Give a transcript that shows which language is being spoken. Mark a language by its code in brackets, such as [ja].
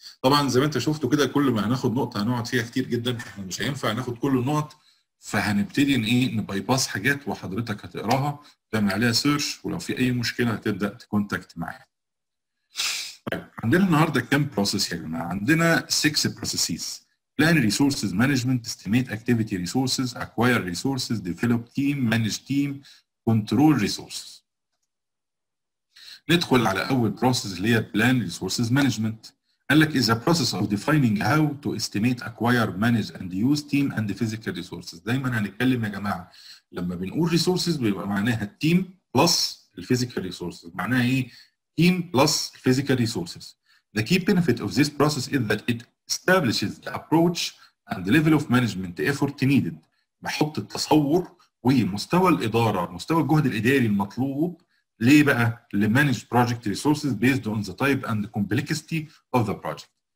[ar] طبعا زي ما انت شفتوا كده كل ما هناخد نقطه هنقعد فيها كتير جدا، احنا مش هينفع ناخد كل النقط، فهنبتدي ان ايه نباي باس حاجات وحضرتك هتقراها تعمل عليها سيرش، ولو في اي مشكله هتبدا تكونتاكت معايا. طيب عندنا النهارده كام بروسيس يا جماعه؟ عندنا 6 بروسيسز: بلان ريسورسز، مانجمنت، استيميت اكتيفيتي ريسورسز، اكواير ريسورسز، ديفلوب تيم، مانج تيم، كنترول ريسورسز. ندخل على اول بروسيس اللي هي بلان ريسورسز مانجمنت. قال لك [en] is a process of defining how to estimate, acquire, manage and use team and the physical resources. [ar] دايما هنتكلم يا جماعة لما بنقول resources بيبقى معناها [en] team plus physical resources، [ar] معناها ايه؟ team plus physical resources. [en] The key benefit of this process is that it establishes the approach and the level of management effort needed. [ar] بحط التصور ومستوى الإدارة، مستوى الجهد الإداري المطلوب ليه بقى؟ [en] لمانج project resources based on the type and complexity of the project.